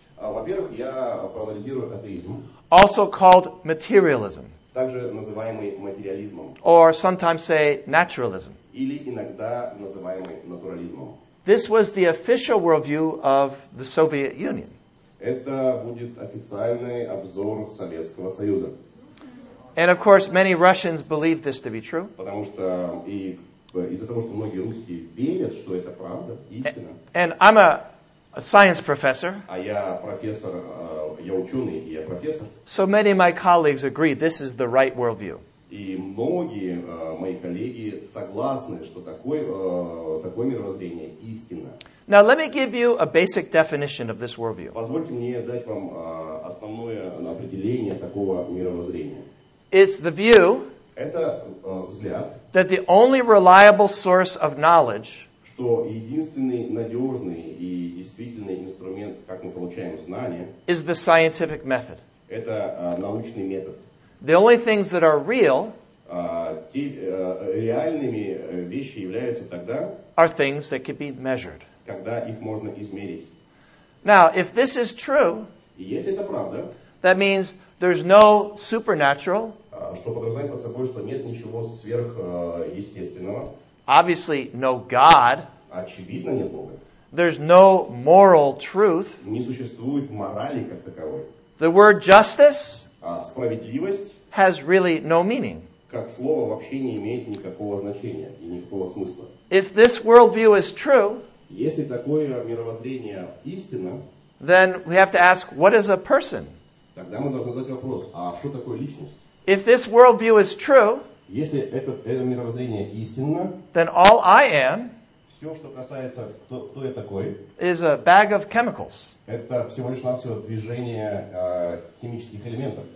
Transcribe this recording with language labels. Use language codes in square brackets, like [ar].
[ru] Во-первых, я проанализирую атеизм. [en] Also called materialism. [ru] Также называемый материализмом. [en] Or sometimes say naturalism. [ru] Или иногда называемый натурализмом. [en] This was the official worldview of the Soviet Union. [ru] Это будет официальный обзор Советского Союза. [en] And of course, many Russians believe this to be true. [ru] Потому что и из-за того, что многие русские верят, что это правда, истина. [en] And I'm a a science professor. [ru] А я профессор, я ученый, и я профессор. [en] So many of my colleagues agree this is the right worldview. [ru] И многие мои коллеги согласны, что такое такое мировоззрение истинно. [en] Now let me give you a basic definition of this worldview. [ru] Позвольте мне дать вам основное определение такого мировоззрения. [en] It's the view [ru] Это, взгляд, [en] that the only reliable source of knowledge [ru] что единственный надежный и действительный инструмент, как мы получаем знания, [en] is the scientific method. [ru] Это, научный метод. [en] The only things that are real [ru] реальными вещи являются тогда, [en] are things that can be measured. [ru] Когда их можно измерить. [en] Now, if this is true, [ru] если это правда, [en] that means there's no supernatural. [ru] Что подразумевает под собой, что нет ничего сверхъестественного. [en] Obviously, no God. [ru] Очевидно, нет Бога. [en] There's no moral truth. [ru] Не существует морали как таковой. [en] The word justice [ru] справедливость [en] has really no meaning. [ru] Как слово вообще не имеет никакого значения и никакого смысла. [en] If this worldview is true, [ru] если такое мировоззрение истинно, [en] then we have to ask, what is a person? [ru] Тогда мы должны задать вопрос, а что такое личность? [en] If this worldview is true, [ru] если это мировоззрение истинно, [en] then all I am [ru] все, что касается, кто я такой, [en] is a bag of chemicals. [ru] Это всего лишь навсего движение химических элементов.